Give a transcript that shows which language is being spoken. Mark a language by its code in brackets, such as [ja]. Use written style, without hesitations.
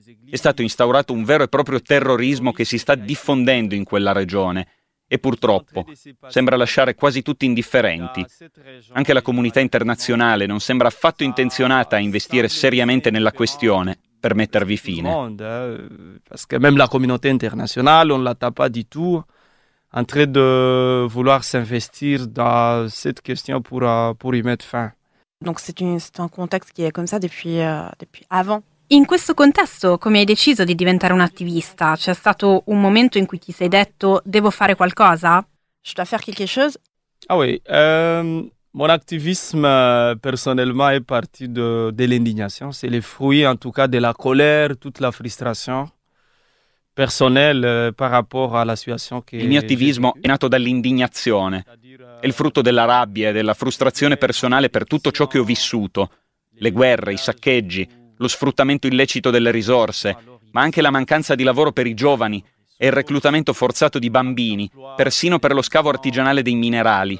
[it] È stato instaurato un vero e proprio terrorismo che si sta diffondendo in quella regione. E purtroppo sembra lasciare quasi tutti indifferenti. Anche la comunità internazionale non sembra affatto intenzionata a investire seriamente nella questione per mettervi fine. [fr] Parce que même la communauté internationale on l'a pas du tout en train de vouloir s'investir dans cette question pour y mettre fin. Donc c'est un contexte qui est comme ça depuis avant. [it] In questo contesto, come hai deciso di diventare un attivista? C'è stato un momento in cui ti sei detto devo fare qualcosa? [fr] Je dois faire quelque chose? Ah oui, mon activisme personnellement est parti de l'indignation, c'est le fruit en tout cas de la colère, toute la frustration personnelle par rapport à la situation che [it] il mio attivismo è nato dall'indignazione. È il frutto della rabbia e della frustrazione personale per tutto ciò che ho vissuto, le guerre, i saccheggi, lo sfruttamento illecito delle risorse, ma anche la mancanza di lavoro per i giovani e il reclutamento forzato di bambini, persino per lo scavo artigianale dei minerali.